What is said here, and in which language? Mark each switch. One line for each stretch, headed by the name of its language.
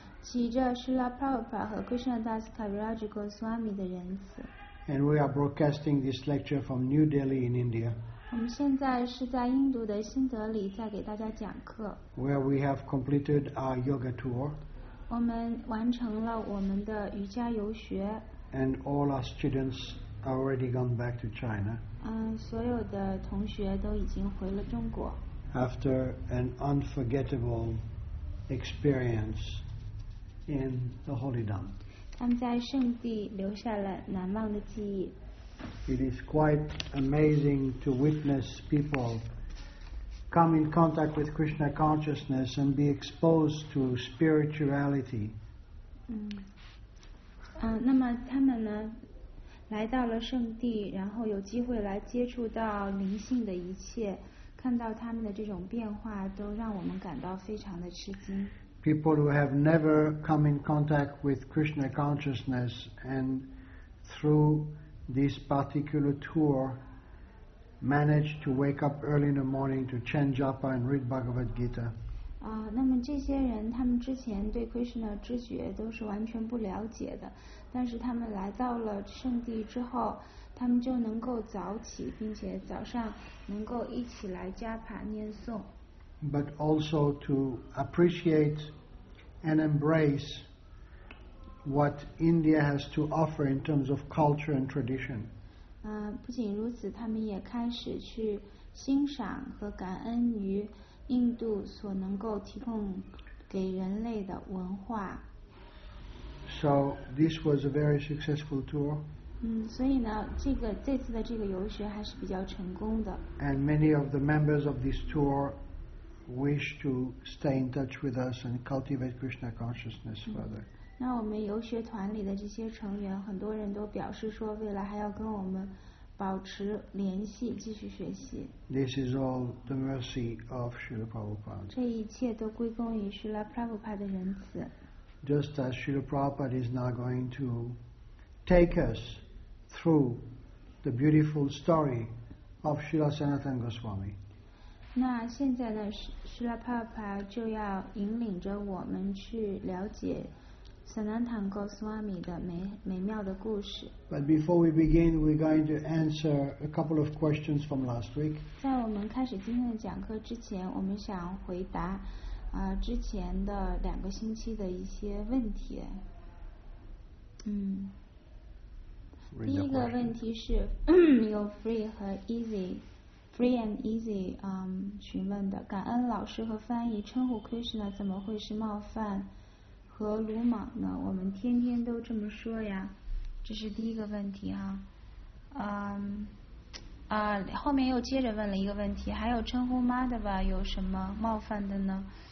Chinese: 祈着 Srila Prabhupada 和 Krishnadas Kaviraj Goswami 的仁慈。
English: And we are broadcasting this lecture from New Delhi in India.
Chinese: 我们现在是在印度的新德里在给大家讲课。
English: Where we have completed our yoga tour.
Chinese: 我们完成了我们的瑜伽游学。
English: And all our students are already gone back to China.
Chinese: 所有的同学都已经回了中国。
English: After an unforgettable experience in the Holy Dhamma.
Chinese: 他们在圣地留下了难忘的记忆。
English: It is quite amazing to witness people come in contact with Krishna consciousness and be exposed to spirituality.
Chinese: 那么他们呢，来到了圣地，然后有机会来接触到灵性的一切，看到他们的这种变化，都让我们感到非常的吃惊。
English: People who have never come in contact with Krishna consciousness and through this particular tour manage to wake up early in the morning to chant japa and read Bhagavad Gita.
Chinese: 那么这些人他们之前对 Krishna 知觉都是完全不了解的，但是他们来到了圣地之后，他们就能够早起，并且早上能够一起来japa念诵。
English: But also to appreciate and embrace what India has to offer in terms of culture and tradition.
Chinese: 不仅如此，他们也开始去欣赏和感恩于印度所能够提供给人类的文化。
English: So this was a very successful tour.
Chinese: 所以呢，这次的这个游学还是比较成功的。
English: And many of the members of this tour. Wish to stay in touch with us and cultivate Krishna consciousness further.
Chinese: 那我们游学团里的这些成员，很多人都表示说，未来还要跟我们保持联系，继续学习。
English: This is all the mercy of Srila Prabhupada.
Chinese: 这一切都归功于 Srila Prabhupada 的仁慈。
English: Just as Srila Prabhupada is now going to take us through the beautiful story of Srila Sanatana Goswami.
Chinese: 那现在呢，施拉帕帕就要引领着我们去了解 Sanatan Goswami 的美妙的故事。
English: But before we begin, we're going to answer a couple of questions from last week.
Chinese: 在我们开始今天的讲课之前，我们想回答之前的两个星期的一些问题。第一个问题是，有 free 和 easy。 free and easy 询问的。感恩老师和翻译称呼 Krishna 怎么会是冒犯和鲁莽呢？我们天天都这么说呀。这是第一个问题哈。后面又接着问了一个问题，还有称呼 Madhava 有什么冒犯的呢？